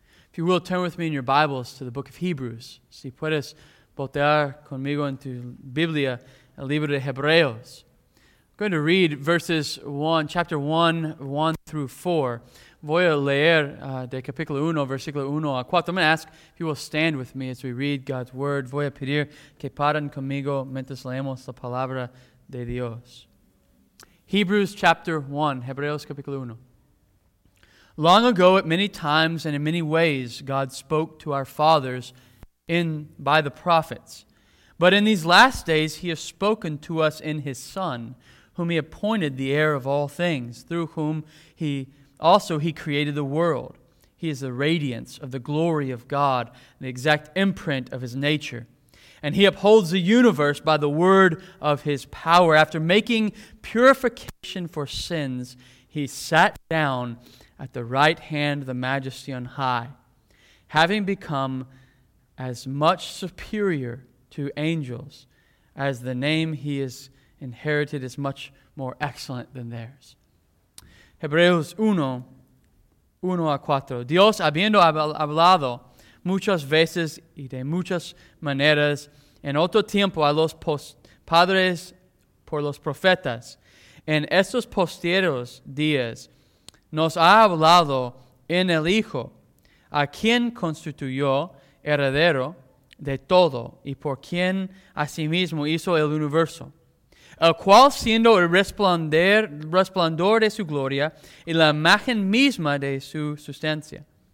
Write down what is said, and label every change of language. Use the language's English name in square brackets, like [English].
[English] If you will, turn with me in your Bibles to the book of Hebrews. [Spanish] Si puedes voltear conmigo en tu Biblia, el libro de Hebreos. [English] I'm going to read verses 1, chapter 1, 1 through 4. [Spanish] Voy a leer de capítulo 1, versículo 1 a 4. [English] I'm going to ask if you will stand with me as we read God's word. [Spanish] Voy a pedir que paren conmigo mientras leemos la palabra de Dios. [English] Hebrews chapter 1, [Spanish] Hebreos capítulo 1. [English] Long ago, at many times and in many ways, God spoke to our fathers by the prophets. But in these last days, he has spoken to us in his Son, whom he appointed the heir of all things, through whom he created the world. He is the radiance of the glory of God, the exact imprint of his nature. And he upholds the universe by the word of his power. After making purification for sins, he sat down at the right hand of the Majesty on high, having become as much superior to angels as the name he has inherited is much more excellent than theirs. [Spanish] Hebreos 1, 1 a 4. Dios, habiendo hablado muchas veces y de muchas maneras en otro tiempo a los padres por los profetas, en estos posteros días, nos ha hablado en el Hijo, a quien constituyó heredero de todo y por quien asimismo hizo el universo, el cual siendo el resplandor de su gloria y la imagen misma de su sustancia,